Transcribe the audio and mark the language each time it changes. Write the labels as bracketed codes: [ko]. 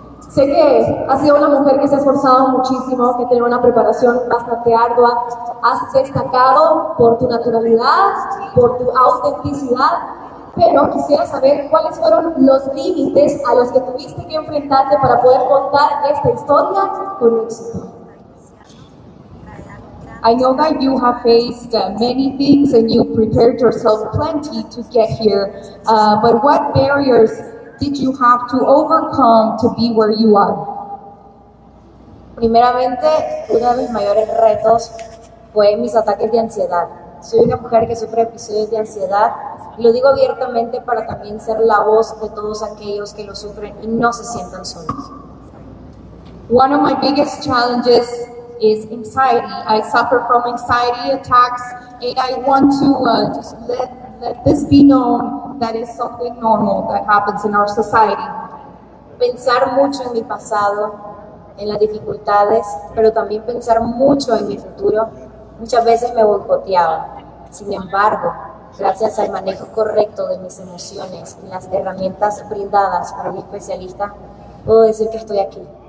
[es] Sé que has sido una mujer que se ha esforzado muchísimo, que tiene una preparación bastante ardua. Has destacado por tu naturalidad, por tu autenticidad, pero quisiera saber cuáles fueron los límites a los que tuviste que enfrentarte para poder contar esta historia con éxito. [en] I know that you have faced many things and you prepared yourself plenty to get here, but what barriers did you have to overcome to be where you are? [es] Primeramente, uno de mis mayores retos fue mis ataques de ansiedad. Soy una mujer que sufre episodios de ansiedad. Lo digo abiertamente para también ser la voz de todos aquellos que lo sufren y no se sientan solos. [en] One of my biggest challenges is anxiety. I suffer from anxiety attacks and I want to let this be known. That is something normal that happens in our society. [es] pensar mucho en mi pasado, en las dificultades, pero también pensar mucho en mi futuro. Muchas veces me boicoteaba. Sin embargo, gracias al manejo correcto de mis emociones y las herramientas brindadas por mi especialista, puedo decir que estoy aquí.